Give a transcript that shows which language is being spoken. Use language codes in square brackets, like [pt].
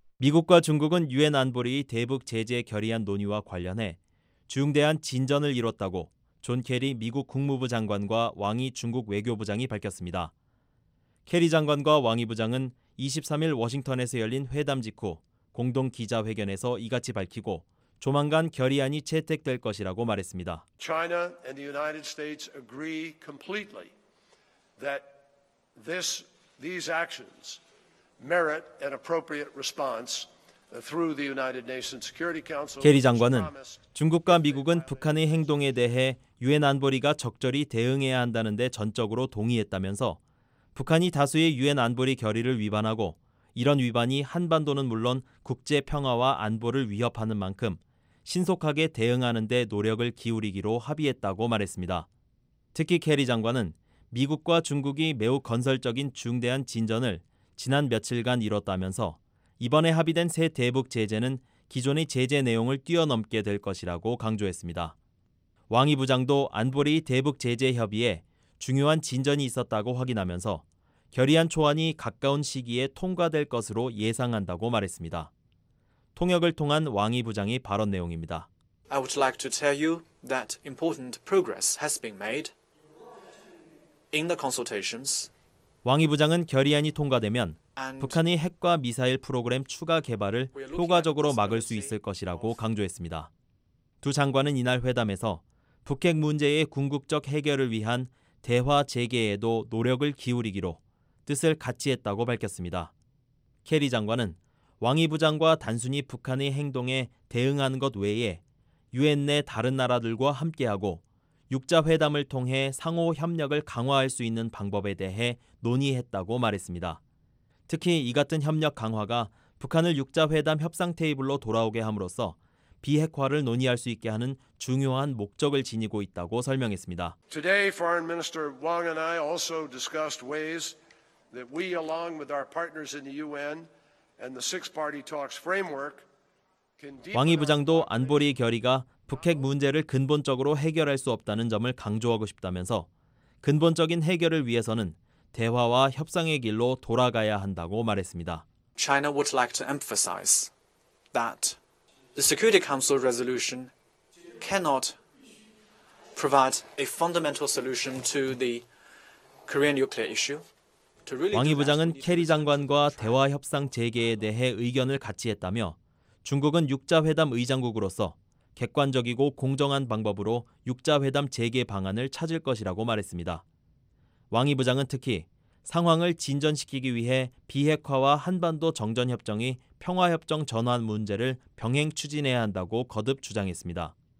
[ko] 미국과 중국은 유엔 안보리 대북 제재 결의안 논의와 관련해 중대한 진전을 이뤘다고 존 케리 미국 국무부 장관과 왕이 중국 외교부장이 밝혔습니다. 케리 장관과 왕이 부장은 23일 워싱턴에서 열린 회담 직후 공동 기자회견에서 이같이 밝히고 조만간 결의안이 채택될 것이라고 말했습니다. [en] China and the United States agree completely that these actions merit an appropriate response through the United Nations Security Council. [ko] 케리 장관은 중국과 미국은 북한의 행동에 대해 유엔 안보리가 적절히 대응해야 한다는 데 전적으로 동의했다면서 북한이 다수의 유엔 안보리 결의를 위반하고 이런 위반이 한반도는 물론 국제 평화와 안보를 위협하는 만큼 신속하게 대응하는 데 노력을 기울이기로 합의했다고 말했습니다. 특히 케리 장관은 미국과 중국이 매우 건설적인 중대한 진전을 지난 며칠간 이뤘다면서 이번에 합의된 새 대북 제재는 기존의 제재 내용을 뛰어넘게 될 것이라고 강조했습니다. 왕이 부장도 안보리 대북 제재 협의에 중요한 진전이 있었다고 확인하면서 결의안 초안이 가까운 시기에 통과될 것으로 예상한다고 말했습니다. 통역을 통한 왕이 부장의 발언 내용입니다. [en] I would like to tell you that important progress has been made in the consultations. [ko] 왕이 부장은 결의안이 통과되면 북한의 핵과 미사일 프로그램 추가 개발을 효과적으로 막을 수 있을 것이라고 강조했습니다. 두 장관은 이날 회담에서 북핵 문제의 궁극적 해결을 위한 대화 재개에도 노력을 기울이기로 뜻을 같이 했다고 밝혔습니다. 케리 장관은 왕이 부장과 단순히 북한의 행동에 대응하는 것 외에 유엔 내 다른 나라들과 함께하고 육자회담을 통해 상호 협력을 강화할 수 있는 방법에 대해 논의했다고 말했습니다. 특히 이 같은 협력 강화가 북한을 육자회담 협상 테이블로 돌아오게 함으로써 비핵화를 논의할 수 있게 하는 중요한 목적을 지니고 있다고 설명했습니다. [en] Today, Foreign Minister Wang and I also discussed ways that we, along with our partners in the UN and the Six-Party Talks framework, can deepen. [ko] 왕이 부장도 안보리 결의가 북핵 문제를 근본적으로 해결할 수 없다는 점을 강조하고 싶다면서 근본적인 해결을 위해서는 대화와 협상의 길로 돌아가야 한다고 말했습니다. [en] China would like to emphasize that the Security Council resolution cannot provide a fundamental solution to the Korean nuclear issue. [ko] 왕이 부장은 케리 장관과 대화 협상 재개에 대해 의견을 같이 했다며 중국은 육자회담 의장국으로서 객관적이고 공정한 방법으로 육자회담 재개 방안을 찾을 것이라고 말했습니다. 왕이 부장은 특히 상황을 진전시키기 위해 비핵화와 한반도 정전협정이 평화협정 전환 문제를 병행 추진해야 한다고 거듭 주장했습니다.